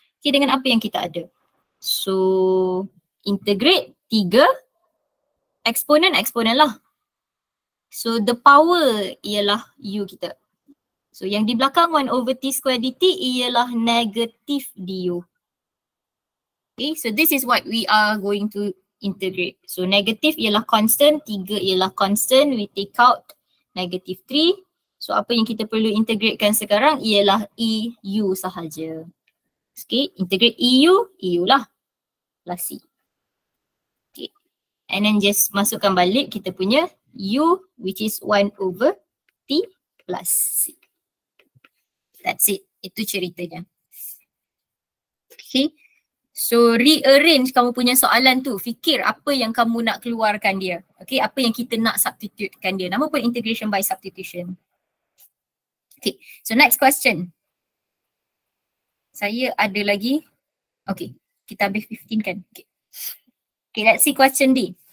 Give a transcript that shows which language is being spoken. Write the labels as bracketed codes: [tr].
[ms] Okay, dengan apa yang kita ada. So, integrate 3, exponent, exponent lah. So, the power ialah u kita. So, yang di belakang 1 over t squared dt ialah negatif du. [en] Okay, so this is what we are going to integrate. [ms] So, negatif ialah constant, 3 ialah constant, [en] we take out negative 3. [ms] So, apa yang kita perlu integratekan sekarang ialah eu sahaja. Okay, integrate eu, eu lah. Plus C. Okay. And then just masukkan balik kita punya U [en] which is 1 over T plus C. That's it. [ms] Itu ceritanya. Okay. So rearrange kamu punya soalan tu. Fikir apa yang kamu nak keluarkan dia. Okay. Apa yang kita nak substitutekan dia. Nama pun integration by substitution. Okay. So next question. Saya ada lagi. Okay. Kita habis 15 kan? Okay. [en] Okay, let's see question D.